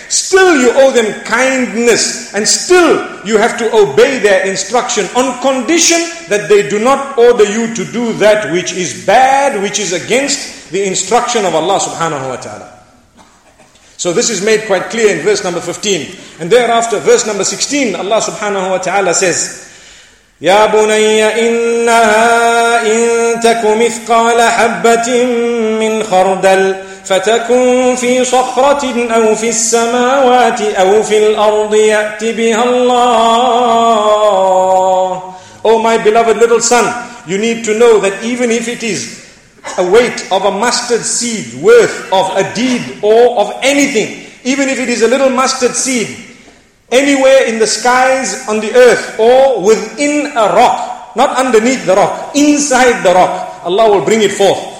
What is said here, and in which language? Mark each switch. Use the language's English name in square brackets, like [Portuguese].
[English] Still you owe them kindness. And still you have to obey their instruction, on condition that they do not order you to do that which is bad, which is against the instruction of Allah subhanahu wa ta'ala. So this is made quite clear in verse number 15. And thereafter, verse number 16, Allah subhanahu wa ta'ala says, [Arabic] يَا بُنَيَّ إِنَّهَا إِن تَكُ مِثْقَالَ حَبَّةٍ مِّنْ خَرْدَلٍ فَتَكُنْ فِي صَخْرَةٍ أَوْ فِي السَّمَاوَاتِ أَوْ فِي الْأَرْضِ يَأْتِ بِهَا اللَّهُ. [English] Oh my beloved little son, you need to know that even if it is a weight of a mustard seed worth of a deed or of anything, even if it is a little mustard seed anywhere in the skies, on the earth, or within a rock, not underneath the rock, inside the rock, Allah will bring it forth.